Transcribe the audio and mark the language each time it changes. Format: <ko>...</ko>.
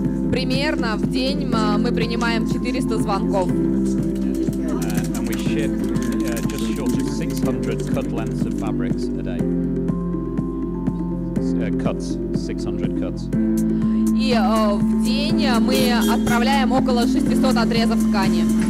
<ru>Примерно в день мы принимаем 400 звонков.</ru> <en>And we ship just short of 600 cut lengths of fabrics a day. Cuts, 600 cuts.</en> <ru>И в день мы отправляем около 600 отрезов ткани.</ru>